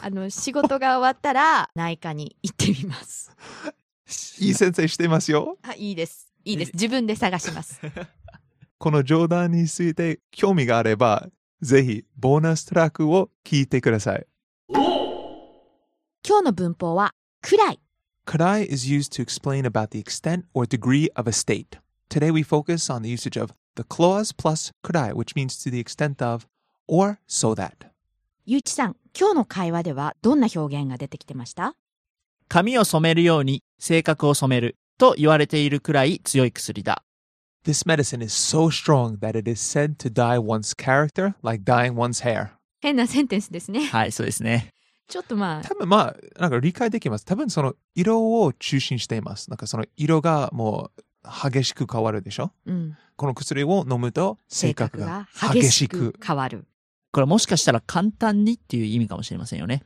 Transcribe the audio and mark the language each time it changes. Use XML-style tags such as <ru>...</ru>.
<ja>仕事が終わったら、内科に行ってみます。いい先生してますよ。あ、いいです。いいです。自分で探します。この冗談について興味があれば、ぜひ、ボーナストラックを聞いてください。今日の文法は、くらい。</ja> <en>くらい is used to explain about the extent or degree of a state. Today we focus on the usage of the clause plus くらい, which means to the extent of or so that.</en> <ja>ゆうちさん、今日の会話ではどんな表現が出てきてました？髪を染めるように性格を染めると言われているくらい強い薬だ。</ja> <en>This medicine is so strong that it is said to dye one's character like dyeing one's hair.</en> <ja>変なセンテンスですね。はい、そうですね。ちょっとまあ、多分まあ、なんか理解できます。多分その色を中心しています。なんかその色がもう激しく変わるでしょ、うん、この薬を飲むと性格が激しく変わる。これもしかしたら簡単にっていう意味かもしれませんよね。</ja>